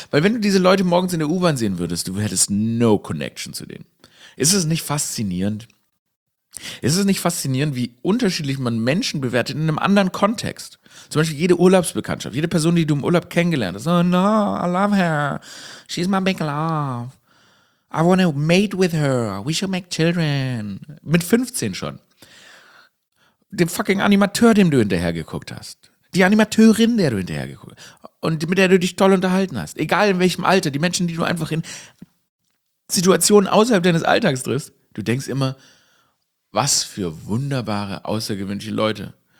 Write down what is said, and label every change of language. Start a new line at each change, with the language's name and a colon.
German: Weil wenn du diese Leute morgens in der U-Bahn sehen würdest, du hättest
English: no connection
German: zu denen. Ist es nicht faszinierend? Ist es nicht faszinierend, wie unterschiedlich man Menschen bewertet in einem anderen Kontext? Zum Beispiel jede Urlaubsbekanntschaft, jede Person, die du im Urlaub kennengelernt hast.
English: Oh no, I love her. She's my big love. I want to mate with her. We should make children.
German: Mit 15 schon. Dem fucking Animateur, dem du hinterher geguckt hast. Die Animateurin, der du hinterher geguckt hast. Und mit der du dich toll unterhalten hast. Egal in welchem Alter, die Menschen, die du einfach in Situationen außerhalb deines Alltags triffst, du denkst immer, was für wunderbare, außergewöhnliche Leute.